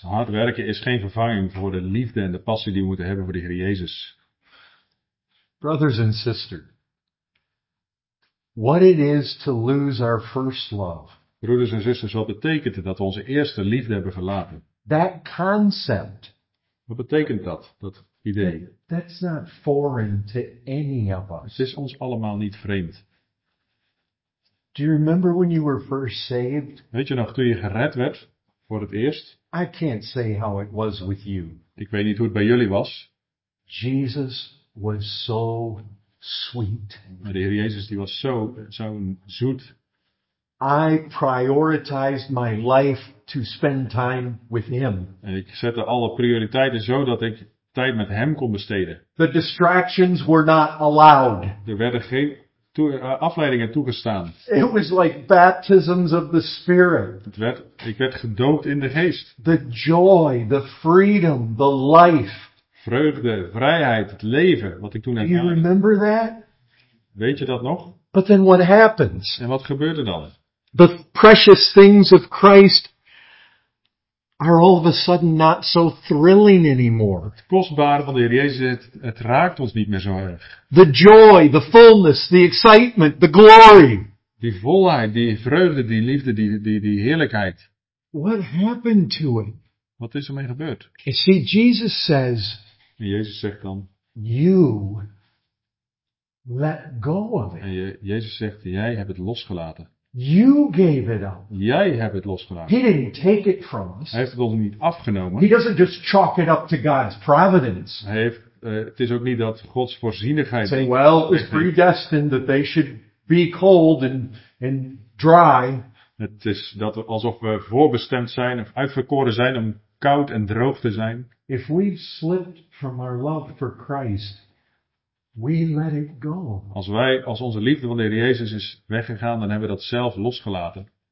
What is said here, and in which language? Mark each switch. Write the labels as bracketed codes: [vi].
[nl] Hard werken is geen vervanging voor de liefde en de passie die we moeten hebben voor de Heer Jezus. [en] Brothers and sisters, what it is to lose our first love. [nl] Broeders en zusters, wat betekent het dat we onze eerste liefde hebben verlaten? [en] That concept. [nl] Wat betekent dat? Dat idee. [en] That's not foreign to any of us. [nl] Het is ons allemaal niet vreemd. [en] Do you remember when you were first saved? [nl] Weet je nog toen je gered werd voor het eerst? [en] I can't say how it was with you. [nl] Ik weet niet hoe het bij jullie was. [en] Jesus was so sweet. [nl] Maar de Heer Jezus die was zo zoet. [en] I prioritized my life to spend time with him. [nl] En ik zette alle prioriteiten zo dat ik tijd met hem kon besteden. [en] The distractions were not allowed. [nl] Er werden geen afleidingen toegestaan. [en] It was like baptisms of the Spirit. [nl] Ik werd gedoopt in de geest. [en] The joy, the freedom, the life. [nl] Vreugde, vrijheid, het leven, wat ik toen heb. [en] Do you remember that? [nl] Weet je dat nog? [en] But then what happens? [nl] En wat gebeurt er dan? [en] The precious things of Christ are all of a sudden not so thrilling anymore. [nl] Het kostbare van de Heer Jezus, het raakt ons niet meer zo erg. [en] The joy, the fullness, the excitement, the glory. [nl] Die volheid, die vreugde, die liefde, die heerlijkheid. [en] What happened to it? [nl] Wat is ermee gebeurd? [en] You see, Jesus says, [nl] en Jezus zegt dan, [en] you let go of it. [nl] En Jezus zegt, jij hebt het losgelaten. [en] You gave it up. [nl] Jij hebt het losgelaten. [en] He didn't take it from us. [nl] Hij heeft het ons niet afgenomen. [en] He doesn't just chalk it up to God's providence. [nl] Hij heeft, het is ook niet dat Gods voorzienigheid. [en] Saying, well, it was predestined that they should be cold and dry. [nl] Het is dat alsof we voorbestemd zijn of uitverkoren zijn om koud en droog te zijn. [en] If we've slipped from our love for Christ, we let it go. [nl] Als onze liefde van de Heer Jezus is weggegaan, dan hebben we dat zelf losgelaten.